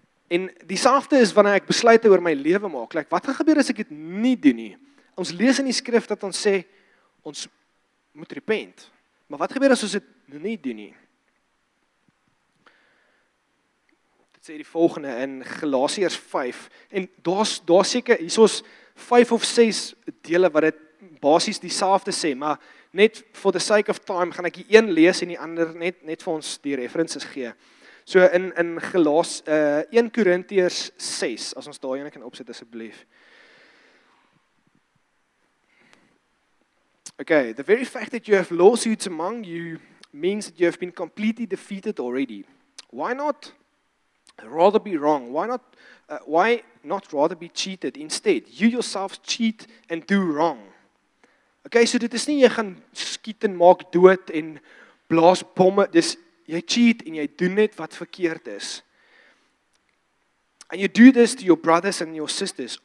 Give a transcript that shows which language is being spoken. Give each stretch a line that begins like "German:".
Afrikaans: En dieselfde is wanneer ek besluite oor my lewe maak. Like, wat gaan gebeur as ek dit nie doen nie? Ons lees in die skrif dat ons sê ons moet repent. Maar wat gebeur as ons dit nie doen nie? Dit sê die volgende in Galasiërs 5. En daar's seker hiersoos 5 of 6 dele wat dit basies dieselfde sê, maar net
English: for the sake of time
Afrikaans: gaan ek die een lees en die ander net vir ons die references gee. So in Galas 1 Korintiërs 6, as ons daai een kan opsit asseblief.
English: Okay, "The very fact that you have lawsuits among you means that you have been completely defeated already. Why not rather be wrong? Why not rather be cheated instead? You yourselves cheat and do wrong."
Afrikaans: Okay, so dit is nie jy gaan skiet en maak dood en blaas bomme, dis jy cheat en jy doen net wat verkeerd is.
English: "And you do this to your brothers and your sisters.